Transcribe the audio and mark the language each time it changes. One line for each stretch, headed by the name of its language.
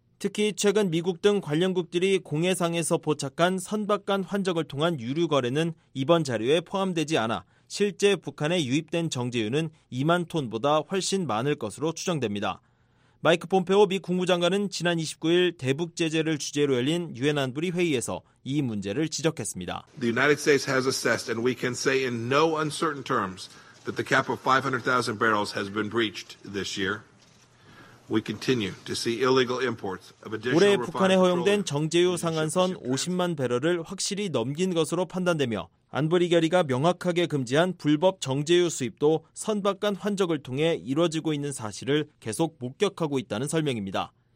Korean: 특히 최근 미국 등 관련국들이 공해상에서 포착한 선박 간 환적을 통한 유류 거래는 이번 자료에 포함되지 않아 실제 북한에 유입된 정제유는 2만 톤보다 훨씬 많을 것으로 추정됩니다. 마이크 폼페오 미 국무장관은 지난 29일 대북 제재를 주제로 열린 유엔 안보리 회의에서 이 문제를 지적했습니다.
English: The United States has assessed and we can say in no uncertain terms that the cap of 500,000 barrels has been breached this year. We continue to see illegal imports of additional refined.
Korean: 올해 북한에 허용된 정제유 상한선 50만 배럴을 확실히 넘긴 것으로 판단되며 안보리 결의가 명확하게 금지한 불법 정제유 수입도 선박 간 환적을 통해 이루어지고 있는 사실을 계속 목격하고 있다는 설명입니다.